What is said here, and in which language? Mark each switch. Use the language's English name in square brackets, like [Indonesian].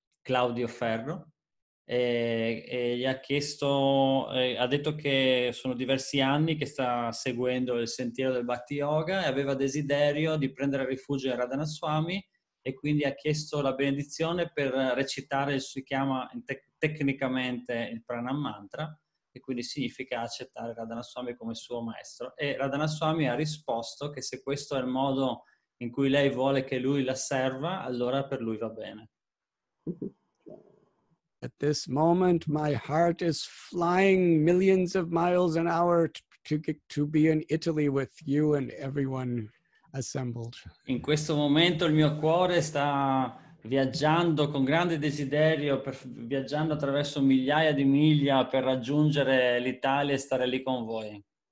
[Italian] Claudio Ferro, e gli ha chiesto, ha detto che sono diversi anni che sta seguendo il sentiero del Bhakti Yoga e aveva desiderio di prendere rifugio in Radhanath Swami e quindi ha chiesto la benedizione per recitare, si chiama tecnicamente il Pranam Mantra, e quindi significa accettare Radhanath Swami come suo maestro. E Radhanath Swami ha risposto che se questo è il modo in cui lei vuole che lui la serva, allora per lui va bene. [English] At this moment my heart is flying millions of miles an hour to be in Italy with you and everyone assembled. [Italian] In questo momento il mio cuore sta viaggiando con grande desiderio, viaggiando attraverso migliaia di miglia per raggiungere l'Italia e stare lì con voi.